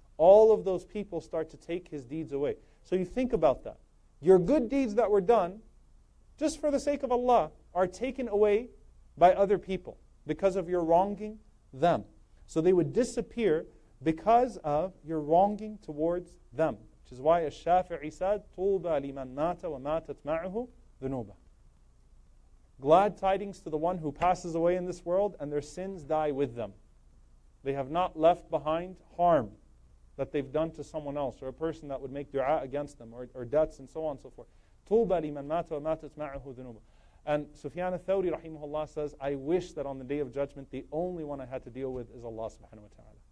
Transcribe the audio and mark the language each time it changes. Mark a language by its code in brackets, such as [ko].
[en] All of those people start to take his deeds away. So you think about that. Your good deeds that were done, just for the sake of Allah, are taken away by other people because of your wronging them. So they would disappear because of your wronging towards them. Which is why al-Shafi'i said, [ar] طُوبَ لِمَنْ مَاتَ وَمَاتَتْ مَعُهُ ذُنُوبًا. [en] Glad tidings to the one who passes away in this world and their sins die with them. They have not left behind harm that they've done to someone else, or a person that would make dua against them, or debts, and so on and so forth. [ar] طُوبَ لِمَنْ مَاتَ وَمَاتَتْ مَعَهُ ذُنُوبًا. [en] And Sufyan al-Thawri, rahimahullah, says, I wish that on the day of judgment, the only one I had to deal with is Allah subhanahu wa ta'ala.